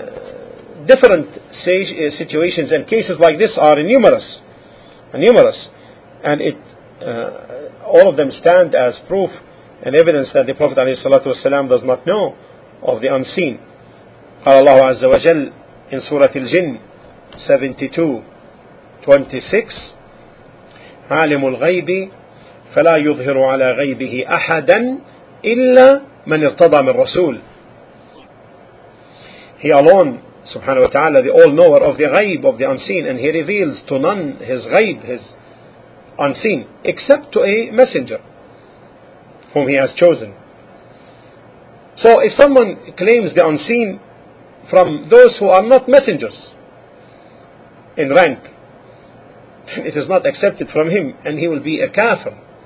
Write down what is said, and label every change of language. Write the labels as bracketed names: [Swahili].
[English] So the different situations and cases like this are numerous. And it all of them stand as proof and evidence that the Prophet, alayhi salatu wasalam, does not know of the unseen. [Arabic] قال الله عز وجل [English] in [Arabic] سورة الجن 72:26 عالم الغيب فلا يظهر على غيبه أحدا إلا من ارتضى من رسول. [English] He alone, سبحانه وتعالى, the all knower of the غيب, of the unseen, and he reveals to none his غيب, his unseen, except to a messenger whom he has chosen. So if someone claims the unseen from those who are not messengers in rank, it is not accepted from him, and he will be a kafir.